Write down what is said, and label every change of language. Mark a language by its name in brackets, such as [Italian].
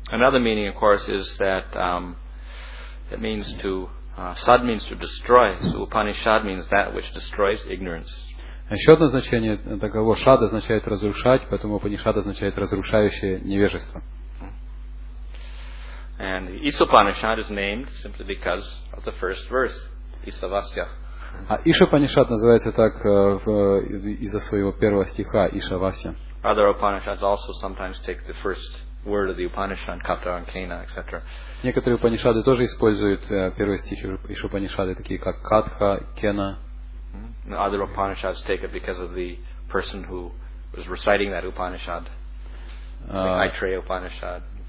[English] Another meaning, of course, is that it means to sad means to destroy. So Upanishad means that which destroys ignorance. [Russian] Еще одно значение такого шад означает разрушать, поэтому Упанишад означает разрушающее невежество. [English] And Isupanishad is named simply because of the first verse, Isavasya. [Russian] А Ишупанишад называется так из-за своего первого стиха, Ишавасья. [English] Other Upanishads also sometimes take the first word of the Upanishad, Katha and Kena, etc. [Russian] Некоторые Упанишады тоже используют первые стихи Ишупанишады, такие как Катха, Кена. [English] Other Upanishads take it because of the person who was reciting that Upanishad, Aitreya Upanishad.